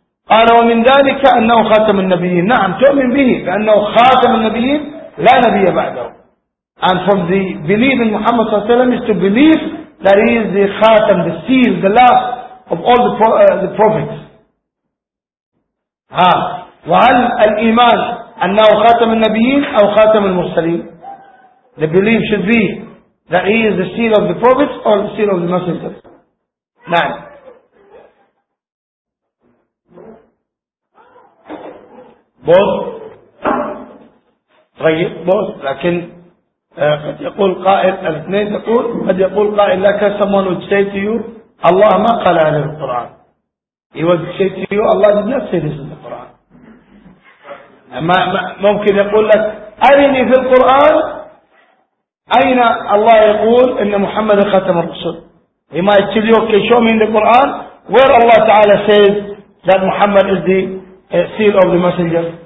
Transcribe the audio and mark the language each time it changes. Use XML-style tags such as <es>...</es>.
<ar>قال ومن ذلك أنه خاتم النبيين. نعم تؤمن به فأنه خاتم النبيين لا نبي بعده.</ar> <en>And from the belief in Muhammad صلى الله عليه وسلم is to believe that he is the خاتم, the seal, the last of all the prophets.</en> <ar>وهل الإيمان أنه خاتم النبيين أو خاتم المرسلين.</ar> <en>The belief should be that he is the seal of the prophets or the seal of the messengers.</en> <ar>نعم.</ar> <en>Both.</en> <ar>طيب</ar> <en>both.</en> <ar>لكن قد يقول قائل الاثنين تقول قد يقول قائل لك</ar> <en>someone would say to you</en> <ar>Allah ما قال عن القرآن.</ar> <en>He would say to you Allah did not say this in the Quran.</en> <ar>ممكن يقول لك أرني في القرآن أين الله يقول إن محمد ختم الرسل.</ar> <en>He might tell you okay show me in the Quran where Allah تعالى says that Muhammad is the seal of the messenger.</en>